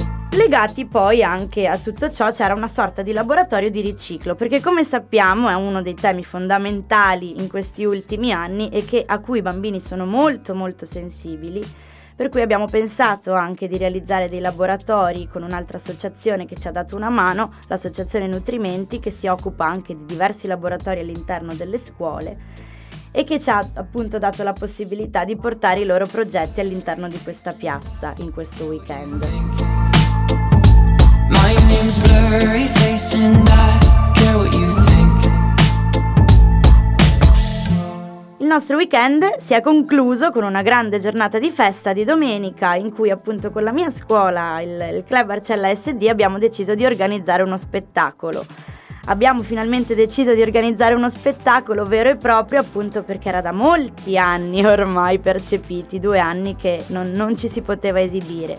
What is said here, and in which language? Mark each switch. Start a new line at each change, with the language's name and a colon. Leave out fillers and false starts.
Italian: Legati poi anche a tutto ciò c'era una sorta di laboratorio di riciclo, perché come sappiamo è uno dei temi fondamentali in questi ultimi anni e che, a cui i bambini sono molto molto sensibili, per cui abbiamo pensato anche di realizzare dei laboratori con un'altra associazione che ci ha dato una mano, l'associazione Nutrimenti, che si occupa anche di diversi laboratori all'interno delle scuole e che ci ha appunto dato la possibilità di portare i loro progetti all'interno di questa piazza in questo weekend.
English: My name's blurry face and I care what you think.
Italian: Il nostro weekend si è concluso con una grande giornata di festa di domenica, in cui appunto con la mia scuola, il Club Arcella SD, abbiamo deciso di organizzare uno spettacolo. Abbiamo finalmente deciso di organizzare uno spettacolo vero e proprio, appunto perché era da molti anni ormai percepiti, 2 anni che non ci si poteva esibire.